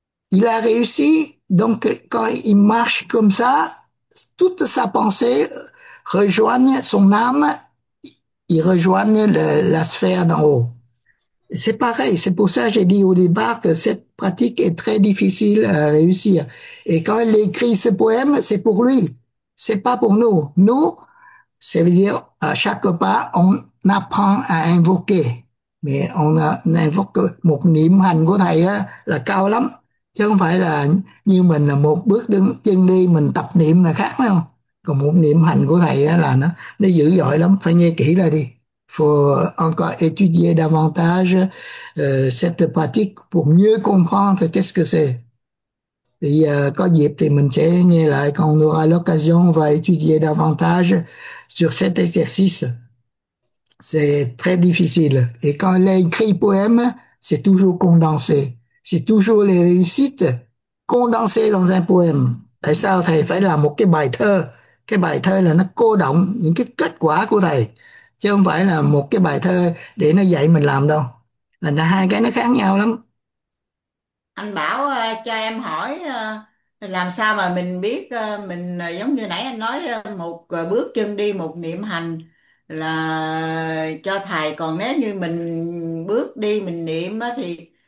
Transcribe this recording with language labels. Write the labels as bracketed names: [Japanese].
[French] Il a réussi, donc quand il marche comme ça, toute sa pensée rejoigne son âme, il rejoint la sphère d'en haut. C'est pareil, c'est pour ça que j'ai dit au départ que cette pratique est très difficile à réussir. Et quand il écrit ce poème, c'est pour lui, c'est pas pour nous. Nous, ça veut dire à chaque pas, on apprend à invoquer. [Vietnamese] Mais on invoque một niệm hành của thầy là cao lắm. Chứ không phải là như mình là một bước đứng chân đi, mình tập niệm là khác, phải không? Còn một niệm hành của thầy là nó dữ dội lắm, phải nghe kỹ lại đi. [French] Faut encore étudier davantage cette pratique pour mieux comprendre qu'est-ce que c'est. Et [Vietnamese] có dịp thì mình sẽ nghe lại, [French] quand on aura l'occasion, on va étudier davantage sur cet exercice. C'est très difficile. Et quand il a écrit poème, c'est toujours condensé. C'est toujours les réussites condensées dans un poème. [Vietnamese] Tại sao thầy phải làm một cái bài thơ? Cái bài thơ là nó cô đọng những cái kết quả của thầy, chứ không phải là một cái bài thơ để nó dạy mình làm đâu. Là hai cái nó khác nhau lắm. Anh Bảo cho em hỏi làm sao mà mình biết, mình giống như nãy anh nói, một bước chân đi, một niệm hành là cho thầy, còn nếu như mình bước đi mình niệm thì